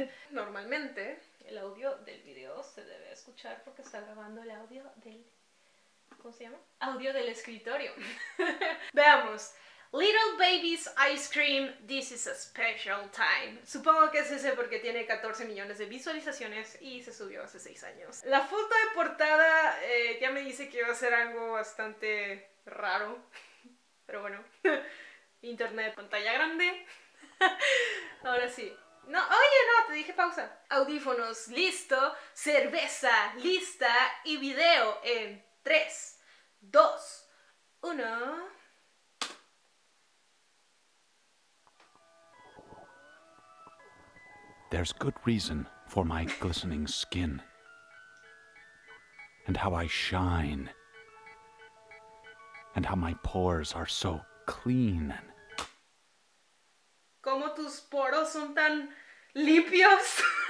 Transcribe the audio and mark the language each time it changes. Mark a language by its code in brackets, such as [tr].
[es] Normalmente el audio del video se debe escuchar porque está grabando el audio del... ¿cómo se llama? Audio del escritorio. Veamos. [en] Little Baby's Ice Cream, this is a special time. [es] Supongo que es ese porque tiene 14 millones de visualizaciones y se subió hace 6 años. La foto de portada ya me dice que va a ser algo bastante raro. Pero bueno. Internet, pantalla grande. Ahora sí. No, oye, no, te dije pausa. Audífonos, listo. Cerveza, lista. Y video en 3. 2, 1. [en] There's good reason for my glistening skin and how I shine and how my pores are so clean. [es] ¿Cómo tus poros son tan limpios?